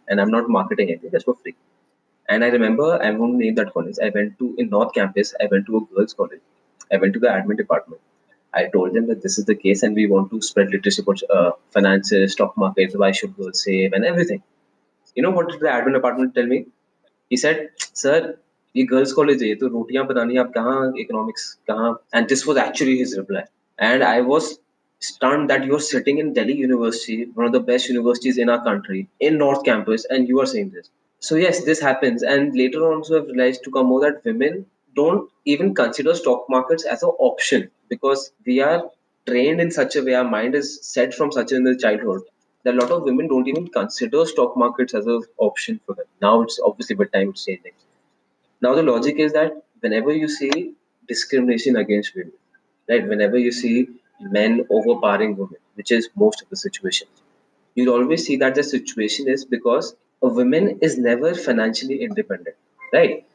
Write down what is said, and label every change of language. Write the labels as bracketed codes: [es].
[en] And I'm not marketing anything, just for free. And I remember, I won't name that college. I went to, in North Campus, I went to a girls' college. I went to the admin department. I told them that this is the case and we want to spread literacy about finances, stock markets, why should girls save and everything. You know what did the admin department tell me? He said, sir, [hi] ये girls college है तो रोटियां बनानी आप कहाँ economics कहाँ [en] And this was actually his reply and I was stunned that you are sitting in Delhi university one of the best universities in our country in north campus and you are saying this so yes this happens and later on so I realise to come more that women don't even consider stock markets as a option because we are trained in such a way our mind is set from such in the childhood that a lot of women don't even consider stock markets as an option for them. Now it's obviously but time it's changing. Now, the logic is that whenever you see discrimination against women, right, whenever you see men overpowering women, which is most of the situation, you'll always see that the situation is because a woman is never financially independent, right?